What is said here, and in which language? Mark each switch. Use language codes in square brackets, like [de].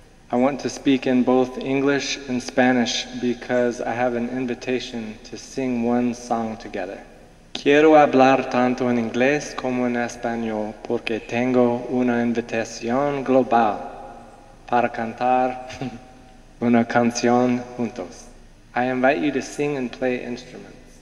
[en] I want to speak in both English and Spanish because I have an invitation to sing one song together. [es] Quiero hablar tanto en inglés como en español porque tengo una invitación global para cantar una canción juntos. [en] I invite you to sing and play instruments.